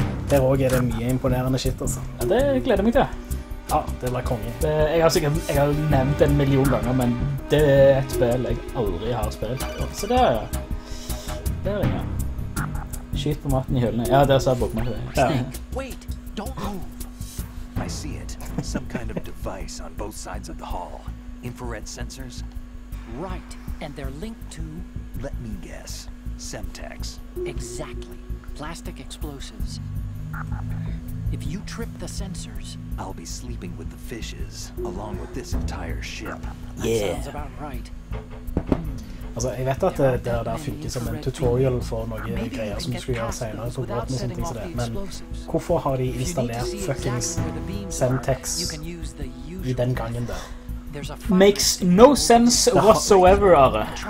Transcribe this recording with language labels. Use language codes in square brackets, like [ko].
[no] Der også er det mye imponerende shit, altså. Ja, det gleder jeg meg til. Ja, det blir kongen. Jeg har sikkert jeg har nevnt det en million ganger, men det er et spill jeg aldri har spilt. Så det er det. Det er det, ja. Shit på maten i hyllene. Ja, det er så jeg bokmer til det. [en] Ja. Wait, don't move. I see it. Some kind of device on both sides of the hall. Infrared sensors. Right, and they're linked to... Let me guess. Semtex. Exactly. Plastic explosives. If you trip the sensors, I'll be sleeping with the fishes, along with this entire ship. Yeah. That sounds about right. [no] Altså, jeg vet at det der funker som en tutorial for noen greier som du skal gjøre senere på båten og sånne ting som det, men hvorfor har de installert fucking Semtex i den gangen der? [en] Makes no sense whatsoever, Are.